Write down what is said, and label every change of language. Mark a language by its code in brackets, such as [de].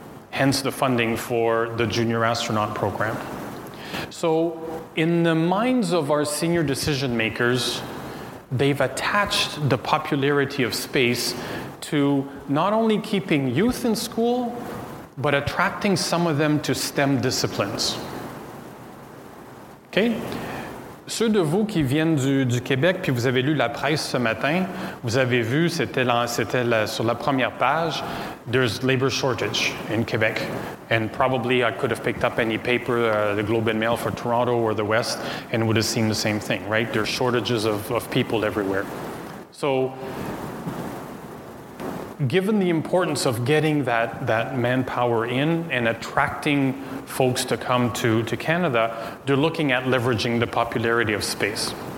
[en] Hence the funding for the Junior Astronaut Program. So in the minds of our senior decision makers, they've attached the popularity of space to not only keeping youth in school, but attracting some of them to STEM disciplines. Okay? [fr] Ceux de vous qui viennent du Québec, puis vous avez lu la presse ce matin, vous avez vu, c'était sur la première page, there's labor shortage in Quebec. [en] And probably I could have picked up any paper, the Globe and Mail for Toronto or the West, and would have seen the same thing, right? There's shortages of people everywhere. So given the importance of getting that manpower in and attracting folks to come to Canada, they're looking at leveraging the popularity of space.